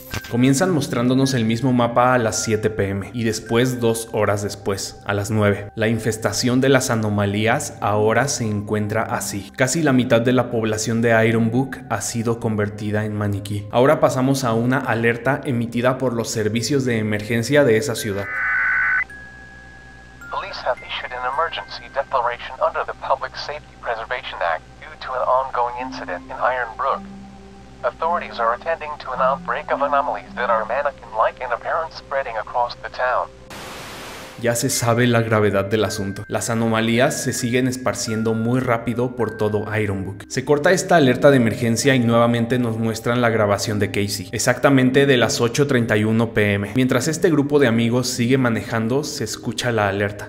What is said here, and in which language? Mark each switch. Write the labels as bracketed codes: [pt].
[es] Comienzan mostrándonos el mismo mapa a las 7 pm y después, 2 horas después, a las 9. La infestación de las anomalías ahora se encuentra así. Casi la mitad de la población de Iron Book ha sido convertida en maniquí. Ahora pasamos a una alerta emitida por los servicios de emergencia de esa ciudad. [en] Police have issued an emergency declaration under the Public Safety Preservation Act due to an ongoing incident in Iron Brook. Authorities are attending to an outbreak of anomalies that are mannequin-like and apparent spreading across the town. [es] Ya se sabe la gravedad del asunto. Las anomalías se siguen esparciendo muy rápido por todo Iron Book. Se corta esta alerta de emergencia y nuevamente nos muestran la grabación de Casey, exactamente de las 8:31 pm. Mientras este grupo de amigos sigue manejando, se escucha la alerta.